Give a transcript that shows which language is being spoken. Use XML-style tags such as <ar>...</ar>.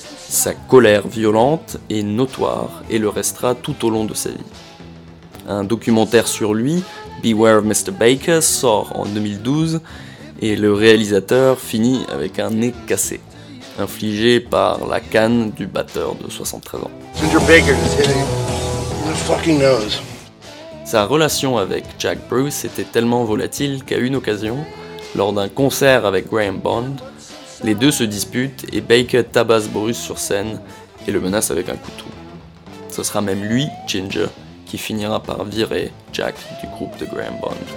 <fr>Sa colère violente est notoire et le restera tout au long de sa vie. Un documentaire sur lui, Beware of Mr. Baker, sort en 2012 et le réalisateur finit avec un nez cassé, infligé par la canne du batteur de 73 ans.</fr> <en>Ginger Baker is hitting the fucking nose.</en> <fr>Sa relation avec Jack Bruce était tellement volatile qu'à une occasion, lors d'un concert avec Graham Bond, les deux se disputent et Baker tabasse Bruce sur scène et le menace avec un couteau. Ce sera même lui, Ginger, qui finira par virer Jack du groupe de Graham Bond.</fr>